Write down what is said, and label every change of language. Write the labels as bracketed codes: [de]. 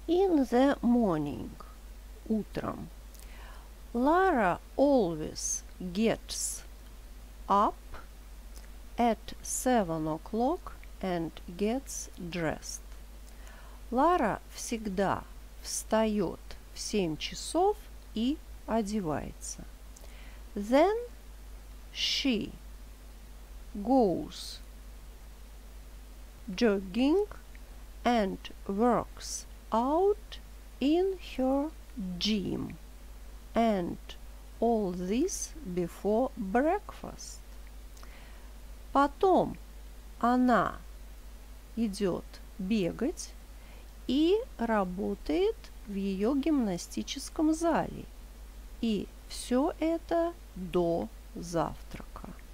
[en] In the morning, [ru] утром, [en] Lara always gets up at 7 o'clock and gets dressed. [ru] Лара всегда встает в 7 часов и одевается. [en] Then she goes jogging and works out in her gym and all this before breakfast. [ru] Потом она идет бегать и работает в ее гимнастическом зале. И все это до завтрака.